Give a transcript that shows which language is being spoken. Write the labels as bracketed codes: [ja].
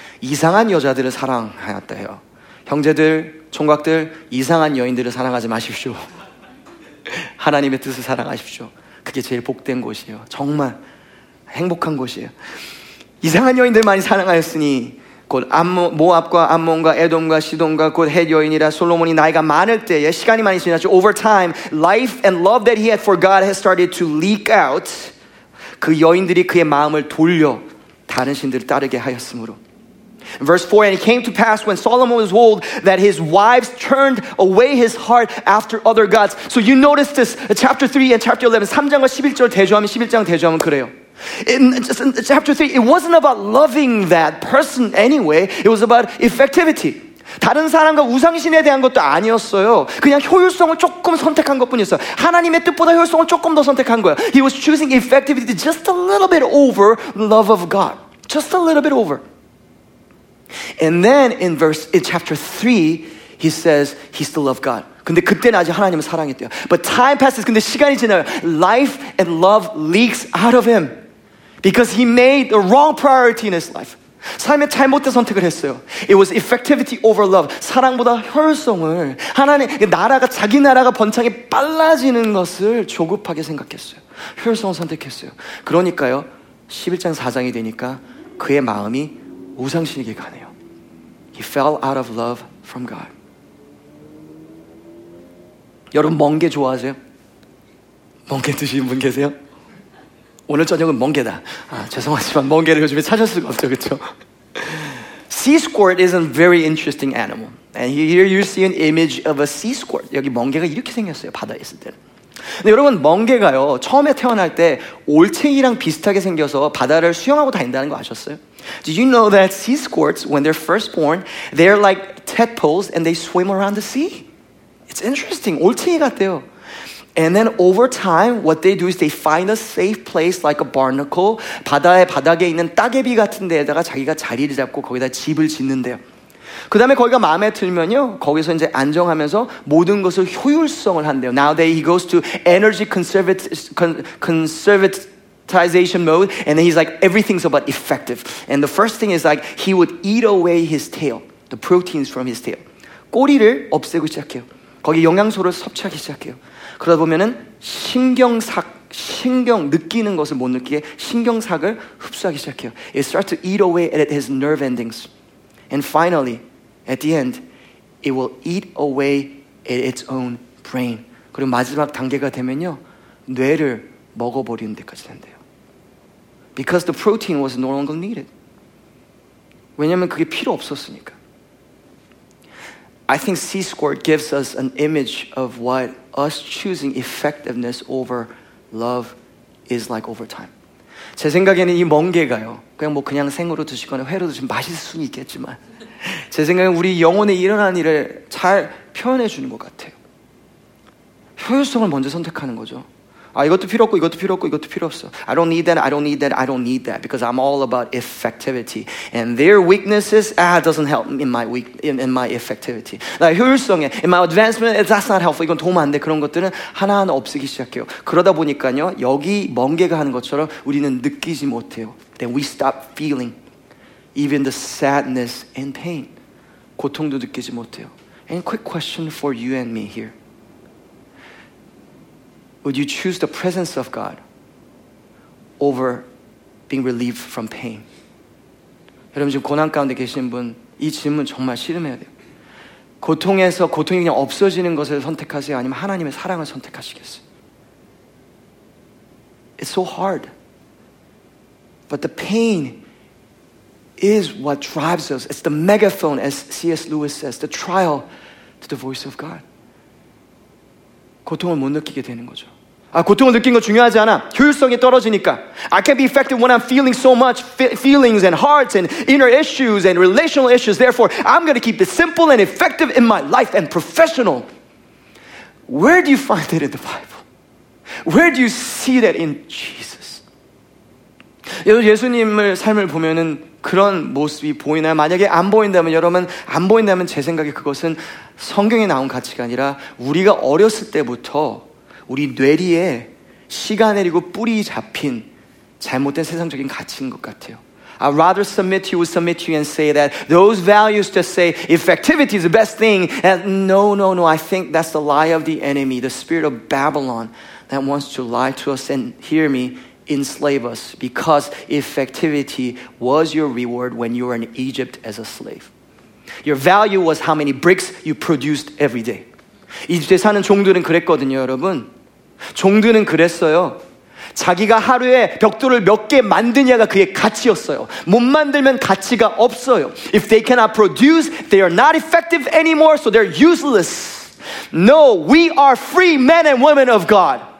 [ko] 이상한 여자들을 사랑하였다 해요. 형제들, 총각들, 이상한 여인들을 사랑하지 마십시오. 하나님의 뜻을 사랑하십시오. 그게 제일 복된 곳이에요. 정말 행복한 곳이에요. 이상한 여인들 많이 사랑하였으니 곧 모압과 암몬과 에돔과 시돈과 곧 헷 여인이라 솔로몬이 나이가 많을 때에 시간이 많이 지났죠. [en] Over time, life and love that he had for God has started to leak out. [ko] 그 여인들이 그의 마음을 돌려 다른 신들을 따르게 하였으므로. [en] Verse 4, and it came to pass when Solomon was old that his wives turned away his heart after other gods. So you notice this, chapter 3 and chapter 11. [ko] 3장과 11절 대조하면, 11장 대조하면 그래요. [en] In chapter 3, it wasn't about loving that person anyway. It was about effectivity. [ko] 다른 사람과 우상신에 대한 것도 아니었어요. 그냥 효율성을 조금 선택한 것뿐이었어요. 하나님의 뜻보다 효율성을 조금 더 선택한 거예요. [en] He was choosing effectivity just a little bit over love of God. Just a little bit over. And then in chapter 3, he says he still loved God. [ko] 근데 그때는 아직 하나님을 사랑했대요. [en] But time passes. [ko] 근데 시간이 지나요. [en] Life and love leaks out of him. Because he made the wrong priority in his life. [ko] 삶에 잘못된 선택을 했어요. [en] It was effectivity over love. [ko] 사랑보다 효율성을. 하나님, 나라가, 자기 나라가 번창이 빨라지는 것을 조급하게 생각했어요. 효율성을 선택했어요. 그러니까요, 11장 4장이 되니까 그의 마음이 우상신에게 가네요. [en] He fell out of love from God. [ko] 여러분, 멍게 좋아하세요? 멍게 드시는 분 계세요? 오늘 저녁은 멍게다. 아, 죄송하지만 멍게를 요즘에 찾을 수가 없죠, 그렇죠? [en] Sea squirt is a very interesting animal. And here you see an image of a sea squirt. [ko] 여기 멍게가 이렇게 생겼어요, 바다에 있을 때는. 근데 여러분, 멍게가요, 처음에 태어날 때 올챙이랑 비슷하게 생겨서 바다를 수영하고 다닌다는 거 아셨어요? [en] Do you know that sea squirts, when they're first born, they're like tadpoles and they swim around the sea? It's interesting. [ko] 올챙이 같대요. [en] And then over time, what they do is they find a safe place like a barnacle, [ko] 바다에, 바닥에 있는 따개비 같은 데에다가 자기가 자리를 잡고 거기다 집을 짓는데요. 그 다음에 거기가 마음에 들면요, 거기서 이제 안정하면서 모든 것을 효율성을 한대요. [en] Now he goes to energy conservatization mode, and then he's like, everything's about effective. And the first thing is like, he would eat away his tail, the proteins from his tail. [ko] 꼬리를 없애고 시작해요. 거기 영양소를 섭취하기 시작해요. 그러다 보면은 신경삭, 신경 느끼는 것을 못 느끼게 신경삭을 흡수하기 시작해요. [en] It starts to eat away at his nerve endings. And finally, at the end, it will eat away at its own brain. [ko] 그리고 마지막 단계가 되면요, 뇌를 먹어버리는 데까지 된대요. [en] Because the protein was no longer needed. [ko] 왜냐면 그게 필요 없었으니까. [en] I think sea squirt gives us an image of what us choosing effectiveness over love is like over time. [ko] 제 생각에는 이 멍게가요, 그냥 뭐 그냥 생으로 드시거나 회로 드시면 맛있을 수는 있겠지만 제 생각에는 우리 영혼에 일어난 일을 잘 표현해 주는 것 같아요. 효율성을 먼저 선택하는 거죠. 아, 이것도 필요 없고 이것도 필요 없고 이것도 필요 없어. [en] I don't need that, I don't need that, I don't need that because I'm all about effectivity. And their weaknesses, doesn't help in my effectivity. Like, [ko] 효율성에, [en] in my advancement, that's not helpful. [ko] 이건 도움 안 돼. 그런 것들은 하나하나 없애기 시작해요. 그러다 보니까요, 여기 멍게가 하는 것처럼 우리는 느끼지 못해요. [en] Then we stop feeling even the sadness and pain. [ko] 고통도 느끼지 못해요. [en] And quick question for you and me here. Would you choose the presence of God over being relieved from pain? [ko] 여러분 지금 고난 가운데 계신 분, 이 질문 정말 씨름해야 돼요. 고통에서 고통이 그냥 없어지는 것을 선택하세요? 아니면 하나님의 사랑을 선택하시겠어요? [en] It's so hard. But the pain is what drives us. It's the megaphone, as C.S. Lewis says, the trial to the voice of God. [ko] 고통을 못 느끼게 되는 거죠. 아, 고통을 느낀 거 중요하지 않아. 효율성이 떨어지니까. [en] I can't be effective when I'm feeling so much feelings and hearts and inner issues and relational issues. Therefore, I'm going to keep it simple and effective in my life and professional. Where do you find that in the Bible? Where do you see that in Jesus? [ko] 여러분 예수님의 삶을 보면은 그런 모습이 보이나요? 만약에 안 보인다면 여러분 안 보인다면 제 생각에 그것은 성경에 나온 가치가 아니라 우리가 어렸을 때부터 우리 뇌리에 씨가 내리고 뿌리 잡힌 잘못된 세상적인 가치인 것 같아요. [en] I'd rather submit to you, submit to you and say that those values to say effectivity is the best thing. And no, no, no. I think that's the lie of the enemy, the spirit of Babylon that wants to lie to us and hear me enslave us because effectivity was your reward when you were in Egypt as a slave. Your value was how many bricks you produced every day. [ko] 이집트에 사는 종들은 그랬거든요, 여러분. 종들은 그랬어요. 자기가 하루에 벽돌을 몇 개 만드냐가 그의 가치였어요. 못 만들면 가치가 없어요. [en] If they cannot produce, they are not effective anymore, so they're useless. No, we are free men and women of God.